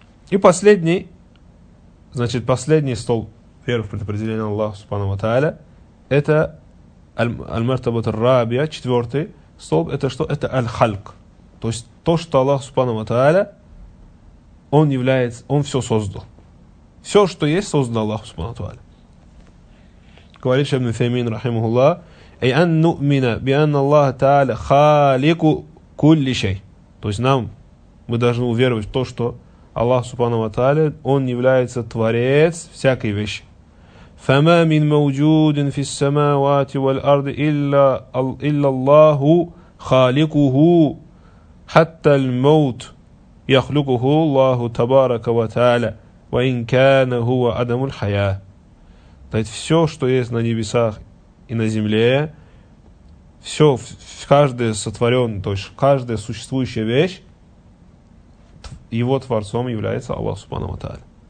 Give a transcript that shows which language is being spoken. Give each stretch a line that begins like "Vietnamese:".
Russian: И последний, значит, последний стол веры в предопределение Аллаха Субхану ва Тааля, это Аль-Мартабат Ар-Рабия, четвертый столб, это что? Это Аль-Халк. То есть то, что Аллах Субхану ва Тааля, он является, он все создал. Все, что есть, создано Аллах Субхану ва Тааля. Говорит Шейх Ибн Усеймин, рахимахуллах,
Arabic: أي أن نؤمن بأن الله تعالى خالق كل شيء.
Russian: То есть нам, мы должны уверовать в то, что Аллах Субхану ва Тааля, он является творец всякой вещи.
Arabic: فما من موجود في السماوات والأرض إلا الله خالقه حتى الموت يخلقه الله تبارك وتعالى وإن كان هو عدم الحياة.
Russian: То есть все, что есть на небесах и на земле, все, каждое сотворенное, то есть каждая существующая вещь, его творцом является Аллах Субхану ва Тааля.